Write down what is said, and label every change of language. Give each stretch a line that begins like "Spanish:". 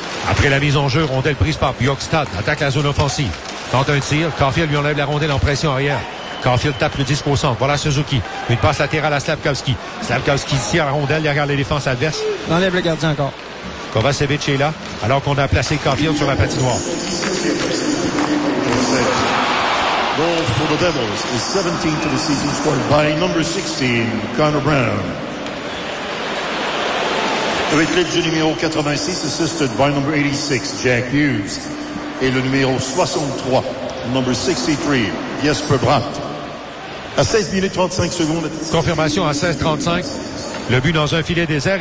French: Après la mise en jeu, rondelle prise par Bjorkstad. Attaque la zone offensive. Tente un tir. Caulfield lui enlève la rondelle en pression arrière. Caulfield tape le disque au centre. Voilà Suzuki. Une passe latérale à Slavkovski. Slavkovski tire la rondelle derrière les défenses adverses. Il enlève le gardien encore. Kovacevic est là, alors qu'on a placé Caulfield sur la patinoire.
English: Goal for the Devils is 17th of the season, scored by number 16, Connor Brown.
French: Avec l'aide du numéro 86,
English: assisted by number 86,
French: Jack Hughes. Et le numéro 63,
English: number 63,
French: Jesper Bratt. À 16 minutes 35 secondes. Confirmation à 16:35. Le but dans un filet désert.